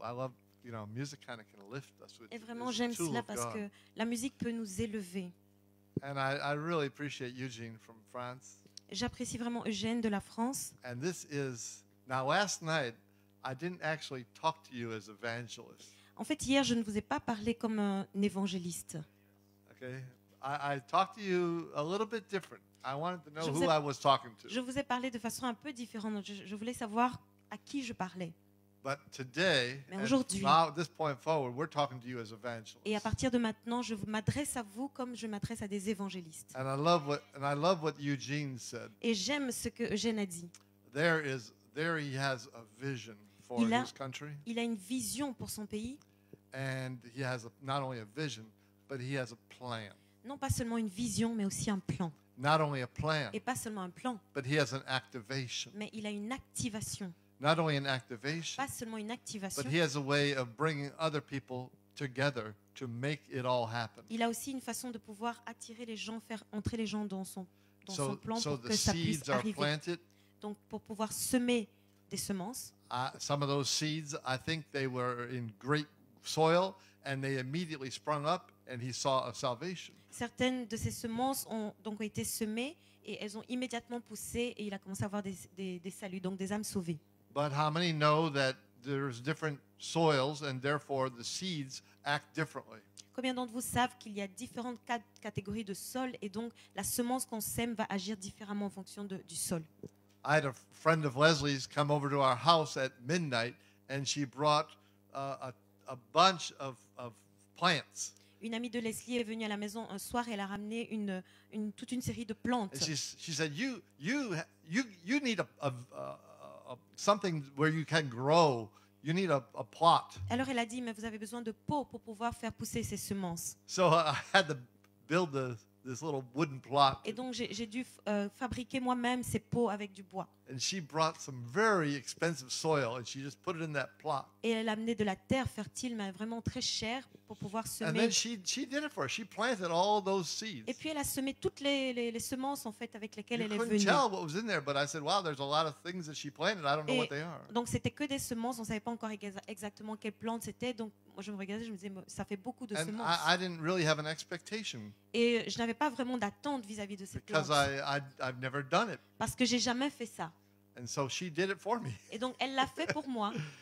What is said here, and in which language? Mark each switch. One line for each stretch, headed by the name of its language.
English: I love, you know, music kind of can lift us.
French: Et vraiment, j'aime cela parce que la musique peut nous élever.
English: And I really appreciate Eugene from France.
French: J'apprécie vraiment Eugène de la France.
English: And this is now last night. I didn't actually talk to you as evangelist.
French: En fait, hier, je ne vous ai pas parlé comme un évangéliste.
English: Okay, I talked to you a little bit different. I wanted to know who I was talking to.
French: Je vous ai parlé de façon un peu différente. Je voulais savoir à qui je parlais.
English: But today,
French: mais aujourd'hui,
English: and now, this point forward, we're talking to you as evangelists.
French: Et à partir de maintenant, je m'adresse à vous comme je m'adresse à des évangélistes.
English: And I love what Eugene said.
French: Et j'aime ce que Eugène a dit.
English: There he has a vision for his country.
French: Il a une vision pour son pays.
English: And he has not only a vision, but he has a plan.
French: Non pas seulement une vision, mais aussi un plan.
English: Not only a plan.
French: Et pas seulement un plan.
English: But he has an activation.
French: Mais il a une activation.
English: Not only an activation.
French: Pas seulement une activation.
English: But he has a way of bringing other people together to make it all happen.
French: Il a aussi une façon de pouvoir attirer les gens, faire entrer les gens dans son plan pour que ça puisse arriver.
English: So the seeds are planted.
French: Donc, pour pouvoir semer des semences.
English: Some of those seeds, I think they were in great soil, and they immediately sprung up, and he saw a salvation.
French: Certaines de ces semences ont donc été semées, et elles ont immédiatement poussé, et il a commencé à voir des saluts, donc des âmes sauvées.
English: But how many know that there's different soils, and therefore the seeds act differently?
French: Combien d'entre vous savent qu'il y a différentes catégories de sol, et donc la semence qu'on sème va agir différemment en fonction du sol?
English: I had a friend of Leslie's come over to our house at midnight, and she brought a bunch of plants.
French: Une amie de Leslie est venue à la maison un soir et elle a ramené toute une série de plantes.
English: And she said, "You need a something where you can grow. You need a pot."
French: Alors elle a dit, mais vous avez besoin de pots pour pouvoir faire pousser ces semences.
English: So I had to build this little wooden plot.
French: Et donc j'ai dû fabriquer moi-même ces pots avec du bois.
English: And she brought some very expensive soil and she just put it in that plot.
French: Et elle a amené de la terre fertile mais vraiment très chère pour pouvoir semer.
English: And then she did it for her. She planted all those seeds.
French: Et puis elle a semé toutes les semences en fait avec lesquelles
English: you
French: elle est venue.
English: You couldn't tell what was in there, but I said, wow, there's a lot of things that she planted. I don't know what they are.
French: Donc c'était que des semences, on savait pas encore exactement quelles plantes c'était, donc moi, je me regardais, je me disais, ça fait beaucoup de
English: and
French: semences.
English: I didn't really have an expectation.
French: Et je n'avais pas vraiment d'attente vis-à-vis de cette plante.
English: I've never done it.
French: Parce que je n'ai jamais fait ça.
English: And so she did it for me.
French: Et donc, elle l'a fait pour moi.